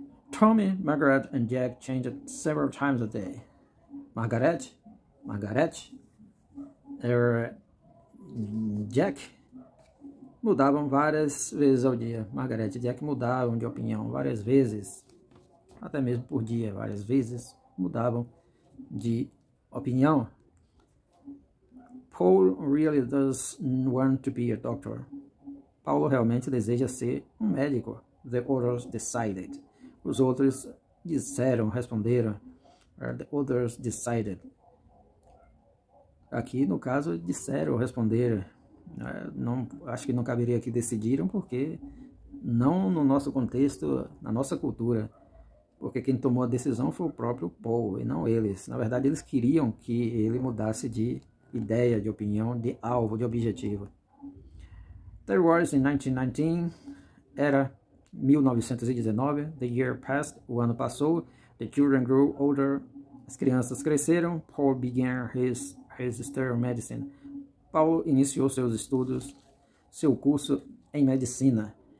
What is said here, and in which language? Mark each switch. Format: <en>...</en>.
<en>Tommy, Margaret and Jack changed several times a day.</en> <pt>Margaret, or Jack mudavam várias vezes ao dia. Margaret e Jack mudavam de opinião várias vezes, até mesmo por dia, várias vezes mudavam de opinião.</pt> <en>Paul really does want to be a doctor.</en> <pt>Paulo realmente deseja ser um médico.</pt> <en>The others decided.</en> <pt>Os outros disseram, responderam.</pt> <en>The others decided.</en> <pt>Aqui, no caso, disseram, responderam. Não, acho que não caberia aqui decidiram, porque não no nosso contexto, na nossa cultura. Porque quem tomou a decisão foi o próprio Paul, e não eles. Na verdade, eles queriam que ele mudasse de ideia, de opinião, de alvo, de objetivo.</pt> <en>There was in 1919,</en> <pt>era 1919,</pt> <en>the year passed,</en> <pt>o ano passou,</pt> <en>the children grew older,</en> <pt>as crianças cresceram,</pt> <en>Paul began his study of medicine.</en> <pt>Paul iniciou seus estudos, seu curso em medicina.</pt>